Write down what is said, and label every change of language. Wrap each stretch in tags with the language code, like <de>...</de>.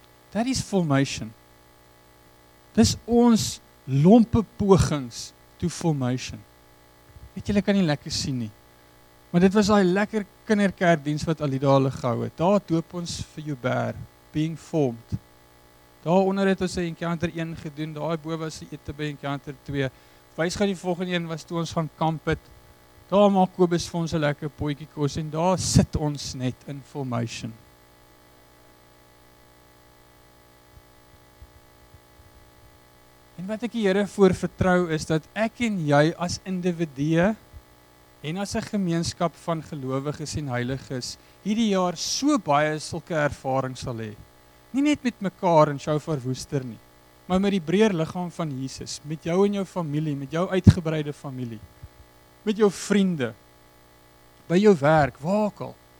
<en>That is formation.</en> <af>Dis ons lompe pogings</af> <en>to formation.</en> <af>Weet julle kan nie lekker sien nie. Maar dit was daai lekker kinderkerkdiens wat Alida hulle gehou het. Daar doop ons vir Joubert,</af> <en>being formed.</en> <af>Daar onder het ons 'n encounter 1 gedoen, daai bo was 'n ete by encounter 2. Wys gaan die volgende een was toe ons gaan kamp het. Daar maak Kobus vir ons 'n lekker potjie kos en daar sit ons net in formation. En wat ek die Here voor vertrou is dat ek en jy as individue en as 'n gemeenskap van gelowiges en heiliges hierdie jaar so baie sulke ervaring sal hê. Nie net met mekaar in Shofar Woester nie, maar met die breër liggaam van Jesus, met jou en jou familie, met jou uitgebreide familie, met jou vriende, by jou werk, waar ook al.</af>